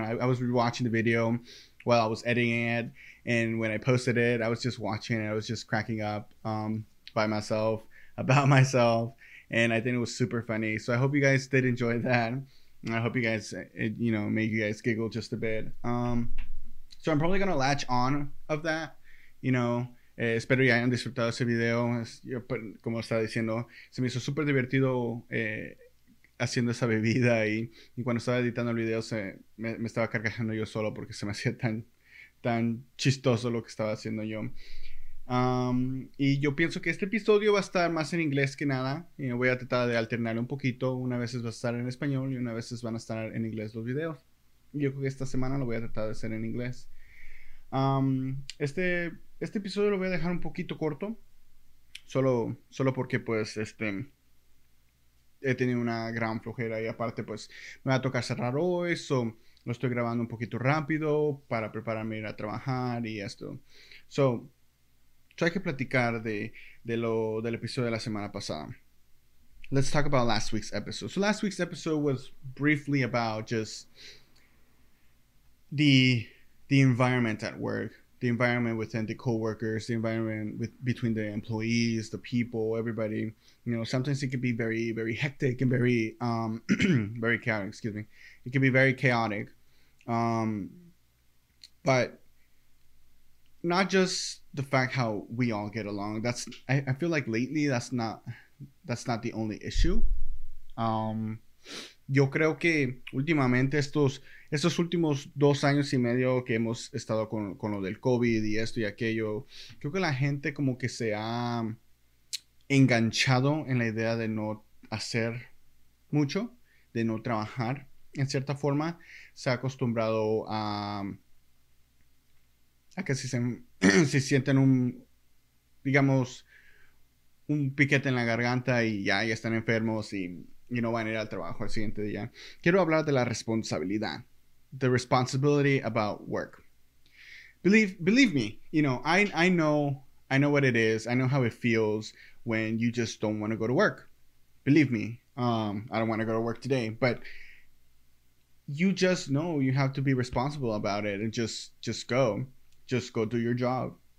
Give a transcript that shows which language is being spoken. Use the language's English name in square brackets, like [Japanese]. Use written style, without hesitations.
[English] I was rewatching the video while I was editing it. And when I posted it, I was just watching it. I was just cracking up by myself, about myself. And I think it was super funny. So I hope you guys did enjoy that. And I hope you guys, made you guys giggle just a bit. So I'm probably going to latch on of that. You know, [Spanish] espero ya hayan disfrutado ese video. Como estaba diciendo, se me hizo super divertido haciendo esa bebida. Y cuando estaba editando el video, me estaba carcajando yo solo porque se me hacía tan chistoso lo que estaba haciendo yo. Y yo pienso que este episodio va a estar más en inglés que nada. Y voy a tratar de alternar un poquito. Una vez va a estar en español y una vez van a estar en inglés los videos. Yo creo que esta semana lo voy a tratar de hacer en inglés. Este episodio lo voy a dejar un poquito corto. Solo porque pues he tenido una gran flojera. Y aparte pues me va a tocar cerrar hoy. Lo estoy grabando un poquito rápido para prepararme a ir a trabajar y esto. So hay que platicar del episodio de la semana pasada. [English] Let's talk about last week's episode. So last week's episode was briefly about just the environment at work, the environment within the coworkers, the environment between the employees, the people, everybody. You know, sometimes it can be very, very hectic and very, very chaotic, excuse me. It can be very chaotic. But not just the fact how we all get along. I feel like lately that's not the only issue. [Spanish] Yo creo que últimamente estos últimos dos años y medio que hemos estado con lo del COVID y esto y aquello, creo que la gente como que se ha enganchado en la idea de no hacer mucho, de no trabajar. En cierta forma, se ha acostumbrado a que si sienten un piquete en la garganta y ya están enfermos y no van a ir al trabajo al siguiente día. Quiero hablar de la responsabilidad. [English] The responsibility about work. Believe me, you know, I know what it is. I know how it feels when you just don't want to go to work. Believe me, I don't want to go to work today, but you just know you have to be responsible about it and just go do your job.